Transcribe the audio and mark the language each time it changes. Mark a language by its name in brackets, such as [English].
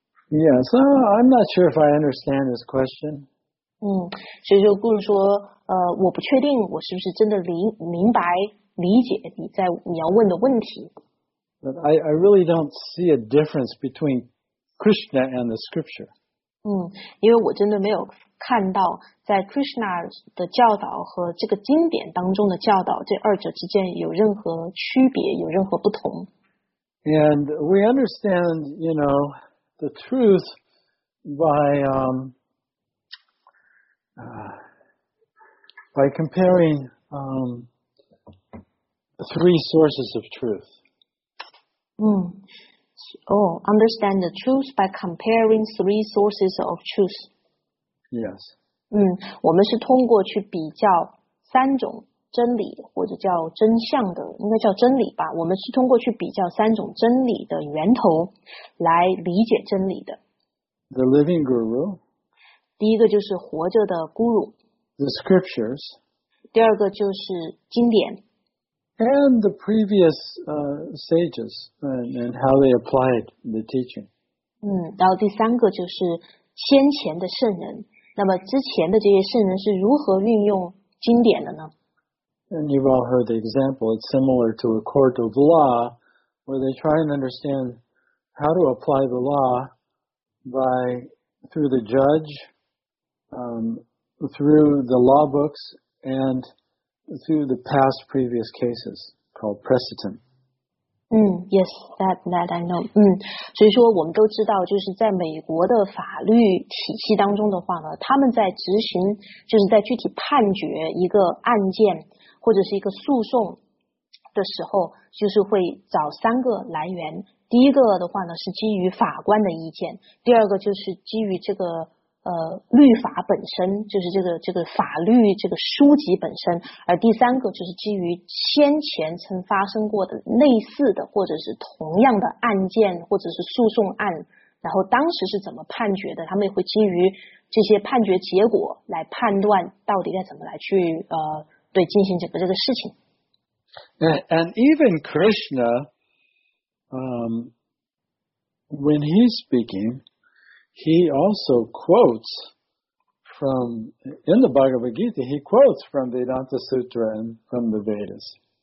[English] Yes, I'm not sure if I understand this question. [Chinese] 所以就故事说，我不确定我是不是真的明白理解你要问的问题。 [English] But I really don't see a difference between Krishna and the scripture. [Chinese] 因为我真的没有看到在 Krishna 的教导和这个经典当中的教导这二者之间有任何区别，有任何不同。 [English] And we understand, you know, the truth by by comparing three sources of truth. Understand the truth by comparing three sources of truth. Yes. [Chinese] 我们是通过去比较三种真理，或者叫真相的，应该叫真理吧。我们是通过去比较三种真理的源头来理解真理的。 [English] The living guru. [Chinese] 第一个就是活着的 guru. [English] The scriptures. [Chinese] 第二个就是经典。 [English] And the previous sages and how they applied the teaching. [Chinese] 然后第三个就是先前的圣人。那么之前的这些圣人是如何运用经典的呢？ [English] And you've all heard the example. It's similar to a court of law where they try and understand how to apply the law by through the judge, through the law books, and through the past previous cases called precedent. Yes, that I know. [Chinese] 所以说我们都知道，就是在美国的法律体系当中的话呢，他们在执行，就是在具体判决一个案件或者是一个诉讼的时候，就是会找三个来源。第一个的话呢，是基于法官的意见；第二个就是基于这个律法本身，就是这个法律这个书籍本身，而第三个就是基于先前曾发生过的类似的或者是同样的案件或者是诉讼案，然后当时是怎么判决的，他们也会基于这些判决结果来判断到底该怎么来去对进行这个事情。 [English] And even Krishna, when he's speaking,He also quotes from, in the Bhagavad Gita, he quotes from Vedanta Sutra and from the Vedas.